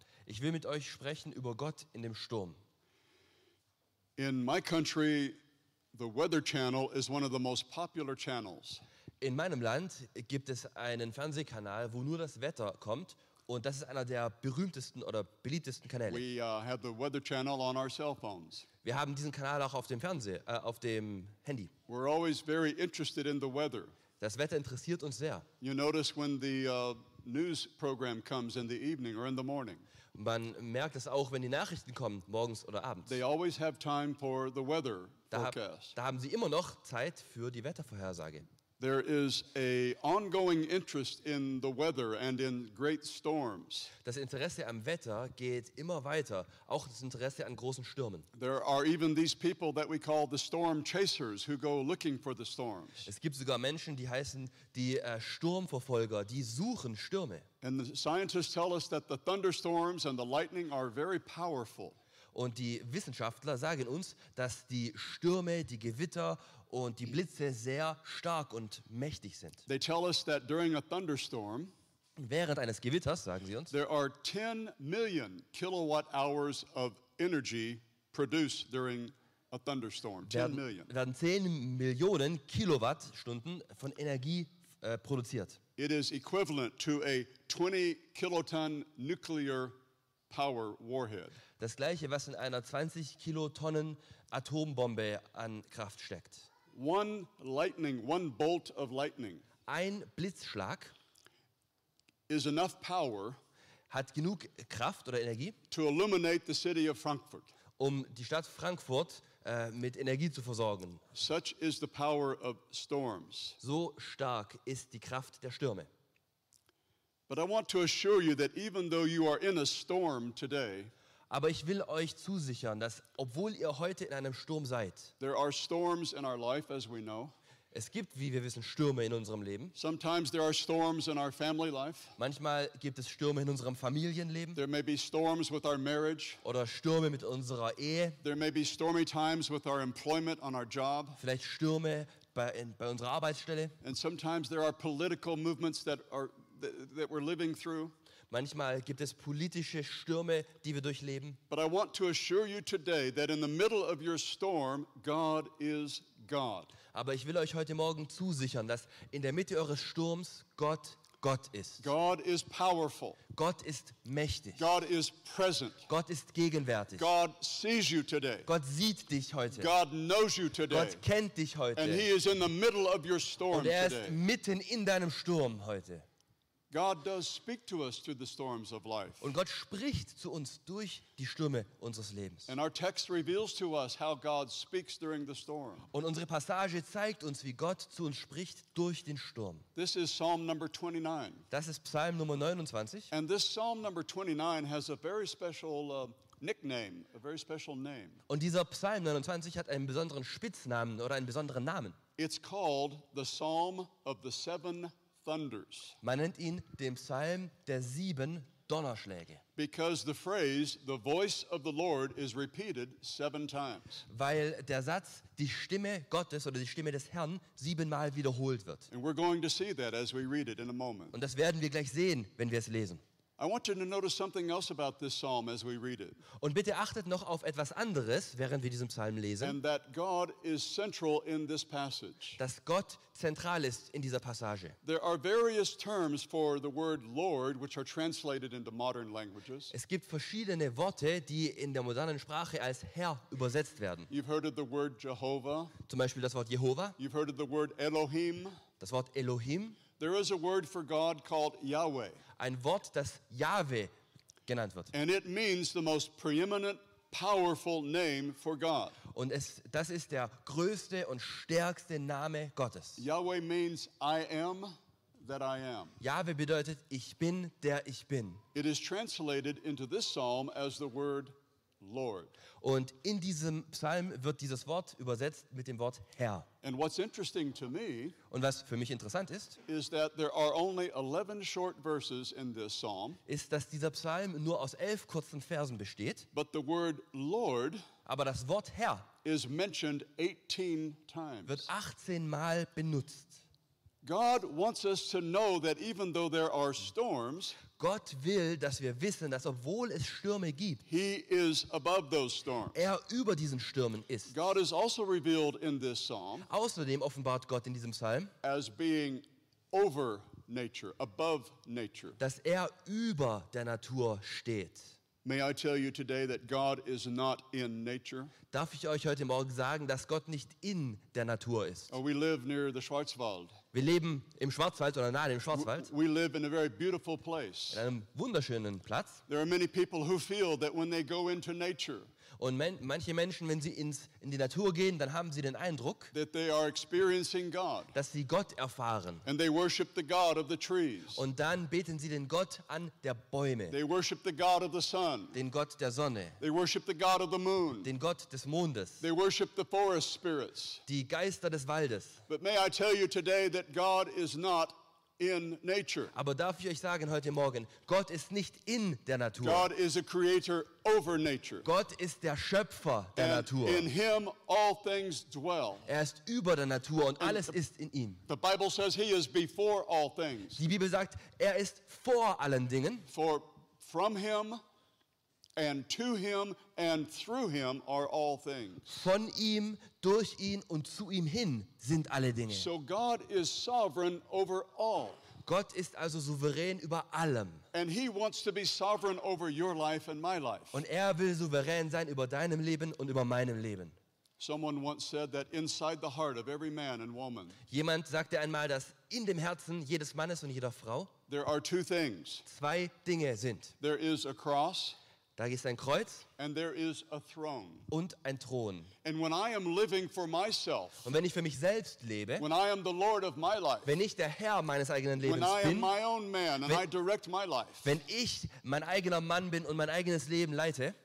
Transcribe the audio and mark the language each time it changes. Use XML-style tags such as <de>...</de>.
<de>Ich will mit euch sprechen über Gott in dem Sturm.</de> <en>In my country, the Weather Channel is one of the most popular channels.</en> <de>In meinem Land gibt es einen Fernsehkanal, wo nur das Wetter kommt, und das ist einer der berühmtesten oder beliebtesten Kanäle.</de> <en>We have the Weather Channel on our cell phones.</en> <de>Wir haben diesen Kanal auch auf dem Fernseher, auf dem Handy.</de> <en>We're always very interested in the weather.</en> <de>Das Wetter interessiert uns sehr.</de> <en>You notice when the news program comes in the evening or in the morning.</en> <de>Man merkt es auch, wenn die Nachrichten kommen, morgens oder abends.</de> <en>They always have time for the weather forecast.</en> <de>Da haben sie immer noch Zeit für die Wettervorhersage.</de> <en>There is a ongoing interest in the weather and in great storms.</en> <de>Das Interesse am Wetter geht immer weiter, auch das Interesse an großen Stürmen.</de> <en>There are even these people that we call the storm chasers who go looking for the storms.</en> <de>Es gibt sogar Menschen, die heißen die Sturmverfolger, die suchen Stürme.</de> <en>And the scientists tell us that the thunderstorms and the lightning are very powerful.</en> <de>Und die Wissenschaftler sagen uns, dass die Stürme, die Gewitter und die Blitze sehr stark und mächtig sind.</de> <en>They tell us that during a thunderstorm,</en> <de>während eines Gewitters, sagen sie uns,</de> <en>there are 10 million kilowatt hours of energy produced during a thunderstorm. 10 million.</en> <de>Werden 10 Millionen Kilowattstunden von Energie produziert.</de> <en>It is equivalent to a 20 kiloton nuclear power warhead.</en> <de>Das gleiche, was in einer 20 Kilotonnen Atombombe an Kraft steckt.</de> <en>One lightning, one bolt of lightning.</en> <de>Ein Blitzschlag</de> <en>is enough power,</en> <de>hat genug Kraft oder Energie,</de> <en>to illuminate the city of Frankfurt.</en> <de>Um die Stadt Frankfurt mit Energie zu versorgen.</de> <en>Such is the power of storms.</en> <de>So stark ist die Kraft der Stürme.</de> <en>But I want to assure you that even though you are in a storm today,</en> <de>aber ich will euch zusichern, dass obwohl ihr heute in einem Sturm seid,</de> <en>there are storms in our life, as we know.</en> <de>Es gibt, wie wir wissen, Stürme in unserem Leben.</de> <en>Sometimes there are storms in our family life.</en> <de>Manchmal gibt es Stürme in unserem Familienleben.</de> <en>There may be storms with our marriage.</en> <de>Oder Stürme mit unserer Ehe.</de> <en>There may be stormy times with our employment on our job.</en> <de>Vielleicht Stürme bei unserer Arbeitsstelle.</de> <en>And sometimes there are political movements that we're living through.</en> <de>Manchmal gibt es politische Stürme, die wir durchleben.</de> <en>But I want to assure you today that in the middle of your storm, God is God.</en> <de>Aber ich will euch heute Morgen zusichern, dass in der Mitte eures Sturms Gott Gott ist.</de> <en>God is powerful.</en> <de>Gott ist mächtig.</de> <en>God is present.</en> <de>Gott ist gegenwärtig.</de> <en>God sees you today.</en> <de>Gott sieht dich heute.</de> <en>God knows you today.</en> <de>Gott kennt dich heute.</de> <en>And he is in the middle of your storm today.</en> <de>Und er ist mitten in deinem Sturm heute.</de> <en>God does speak to us through the storms of life.</en> <de>Und Gott spricht zu uns durch die Stürme unseres Lebens.</de> <en>And our text reveals to us how God speaks during the storm.</en> <de>Und unsere Passage zeigt uns, wie Gott zu uns spricht durch den Sturm.</de> <en>This is Psalm number 29.</en> <de>Das ist Psalm Nummer 29.</de> <en>And this Psalm number 29 has a very special nickname, a very special name.</en> <de>Und dieser Psalm 29 hat einen besonderen Spitznamen oder einen besonderen Namen.</de> <en>It's called the Psalm of the Seven Thunders.</en> <de>Man nennt ihn den Psalm der sieben Donnerschläge.</de> <en>Because the phrase "the voice of the Lord" is repeated seven times.</en> <de>Weil der Satz "die Stimme Gottes" oder "die Stimme des Herrn" siebenmal wiederholt wird.</de> <en>And we're going to see that as we read it in a moment.</en> <de>Und das werden wir gleich sehen, wenn wir es lesen.</de> <en>I want you to notice something else about this psalm as we read it.</en> <de>Und bitte achtet noch auf etwas anderes, während wir diesen Psalm lesen.</de> <en>And that God is central in this passage.</en> <de>Dass Gott zentral ist in dieser Passage.</de> <en>There are various terms for the word Lord which are translated into modern languages.</en> <de>Es gibt verschiedene Worte, die in der modernen Sprache als Herr übersetzt werden.</de> <en>You've heard of the word Jehovah.</en> <de>Zum Beispiel das Wort Jehova.</de> <en>You've heard of the word Elohim.</en> <de>Das Wort Elohim.</de> <en>There is a word for God called Yahweh.</en> <de>Ein Wort, das Yahweh genannt wird.</de> <en>And it means the most preeminent, powerful name for God.</en> <de>Und das ist der größte und stärkste Name Gottes.</de> <en>Yahweh means I am that I am.</en> <de>Yahweh bedeutet ich bin, der ich bin.</de> <en>It is translated into this psalm as the word Lord.</en> <de>Und in diesem Psalm wird dieses Wort übersetzt mit dem Wort Herr.</de> <en>And what's interesting to me,</en> <de>und was für mich interessant ist,</de> <en>is that there are only 11 short verses in this psalm.</en> <de>Ist, dass dieser Psalm nur aus 11 kurzen Versen besteht.</de> <en>But the word Lord,</en> <de>aber das Wort Herr,</de> <en>is mentioned 18 times.</en> <de>Wird 18 Mal benutzt.</de> <en>God wants us to know that even though there are storms,</en> <de>Gott will, dass wir wissen, dass obwohl es Stürme gibt,</de> <en>he is above those storms.</en> <de>Er über diesen Stürmen ist.</de> <en>God is also revealed in this psalm.</en> <de>Außerdem offenbart Gott in diesem Psalm</de> <en>as being over nature, above nature.</en> <de>Dass er über der Natur steht.</de> <en>May I tell you today that God is not in nature?</en> <de>Darf ich euch heute Morgen sagen, dass Gott nicht in der Natur ist?</de> <en>Oh, we live near the Schwarzwald.</en> <de>Wir leben im Schwarzwald oder nahe dem Schwarzwald.</de> <en>We live in a very beautiful place.</en> <de>In einem wunderschönen Platz.</de> <en>There are many people who feel that when they go into nature.</en> <de>Und manche Menschen, wenn sie in die Natur gehen, dann haben sie den Eindruck,</de> <en>that they are experiencing God.</en> <de>Dass sie Gott erfahren.</de> <en>And they worship the God of the trees.</en> <de>Und dann beten sie den Gott an der Bäume.</de> <en>They worship the God of the sun.</en> <de>Den Gott der Sonne.</de> <en>They worship the God of the moon.</en> <de>Den Gott des Mondes.</de> <en>They worship the forest spirits.</en> <de>Die Geister des Waldes.</de> <en>But may I tell you today that God is not in nature.</en> <de>Aber darf ich euch sagen heute Morgen, Gott ist nicht in der Natur.</de> <en>God is a creator over nature.</en> <de>Gott ist der Schöpfer der Natur.</de> <en>In him all things dwell.</en> <de>Er ist über der Natur und alles ist in ihm.</de> <en>The Bible says he is before all things.</en> <de>Die Bibel sagt, er ist vor allen Dingen.</de> <en>For from him and to him and through him are all things.</en> <de>Von ihm, durch ihn und zu ihm hin sind alle Dinge.</de> <en>So God is sovereign over all.</en> <de>Gott ist also souverän über allem.</de> <en>And he wants to be sovereign over your life and my life.</en> <de>Und er will souverän sein über deinem Leben und über meinem Leben.</de> <en>Someone once said that inside the heart of every man and woman.</en> <de>Jemand sagte einmal, dass in dem Herzen jedes Mannes und jeder Frau</de> <en>there are two things.</en> <de>Zwei Dinge sind.</de> <en>There is a cross.</en> <de>Da ist ein Kreuz</de> <en>and there is a throne.</en> <de>Und ein Thron.</de> <en>And when I am living for myself,</en> <de>und wenn ich für mich selbst lebe,</de> <en>when I am the Lord of my life,</en> <de>wenn ich der Herr meines eigenen Lebens</de> <en>when I</en> <de>bin,</de> <en>am my own man and I direct my life,</en> <de>wenn ich mein eigener Mann bin und mein eigenes Leben leite,</de>